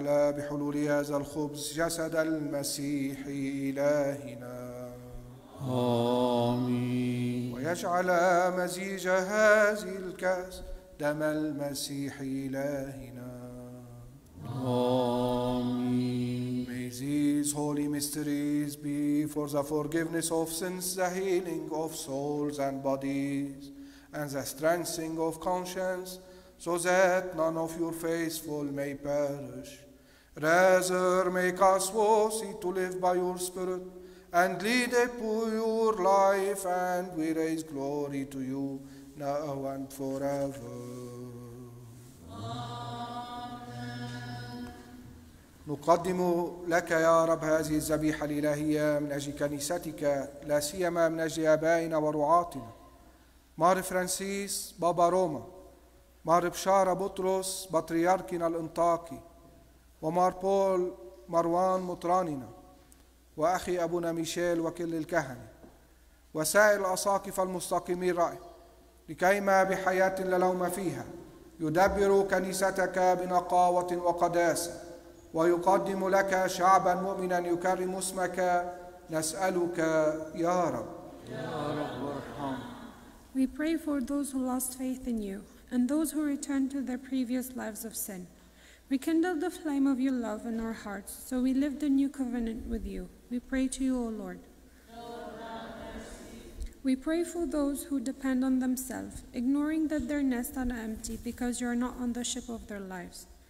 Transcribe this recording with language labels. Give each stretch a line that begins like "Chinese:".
Arabic: بحلول هذا الخبز جسد المسيح إلهنا آمين ويجعل مزيج هذه الكأس دم المسيح إلهنا آمين
English: May these holy mysteries be for the forgiveness of sins, the healing of souls and bodies, and the strengthening of conscience, so that none of your faithful may perish. Rather, make us worthy to live by your Spirit and lead a pure life, and we raise glory to you now and forever. Amen.
Arabic: نقدم لك يا رب هذه الذبيحة الإلهية من أجل كنيستك لا سيما من أجل آبائنا ورعاتنا مار فرانسيس بابا روما مار بشارة بطرس بطريركنا الإنطاكي ومار بول مروان مطراننا وأخي أبونا ميشيل وكل الكهنة وسائر الأساقف المستقيمين رأي لكيما بحياة للوم فيها يدبر كنيستك بنقاوة وقداسة ويقدم لك شعبا مؤمنا يكرم اسمك نسألك يا رب يا رب وارحم
English: We pray for those who lost faith in you and those who returned to their previous lives of sin. Rekindle the flame of your love in our hearts, so we live the new covenant with you. We pray to you, O Lord. We pray for those who depend on themselves, ignoring that their nests are empty because you are not on the ship of their lives.